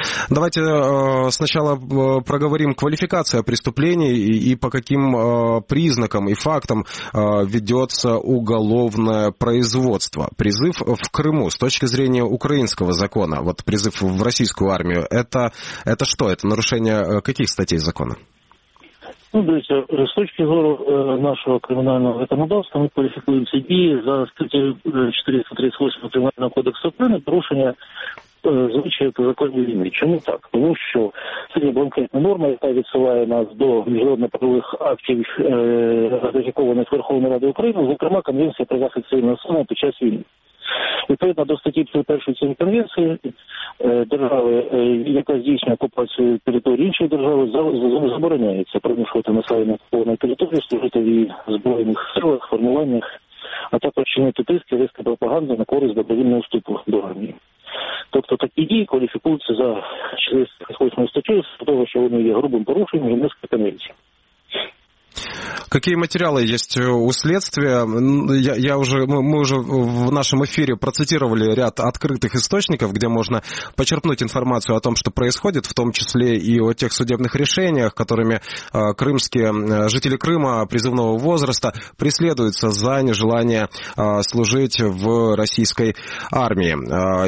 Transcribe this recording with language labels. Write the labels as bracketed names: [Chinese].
[Russian] Давайте сначала проговорим квалификация преступлений и по каким признакам и фактам ведется уголовное производство. Призыв в Крыму с точки зрения украинского закона, вот призыв в российскую армию, это что? Это нарушение каких статей закона? [Ukrainian] Ну, дивіться, з точки зору нашого кримінального законодавства ми кваліфікуємо ці дії за статтею 438 Кримінального кодексу України порушення звичаю та законів війни. Чому так? Тому що сьогодні бланкетна норма, яка відсилає нас до міжнародно-правових актів, ратифікованих Верховною Радою України, зокрема, Конвенція про захист цивільного населення під час війни. Відповідно до статті 31 цієї конвенції, держави, яка здійснює окупацію території іншої держави, забороняється примушувати населення окупованої території служити в її збройних силах, формуваннях, а також чинити тиски, риски пропаганди на користь добровільного вступу до армії. Тобто такі дії кваліфікуються за 48 статтю з того, що вони є грубим порушенням Женевської конвенції. [Russian] Какие материалы есть у следствия? Мы уже в нашем эфире процитировали ряд открытых источников, где можно почерпнуть информацию о том, что происходит, в том числе и о тех судебных решениях, которыми жители Крыма призывного возраста преследуются за нежелание служить в российской армии.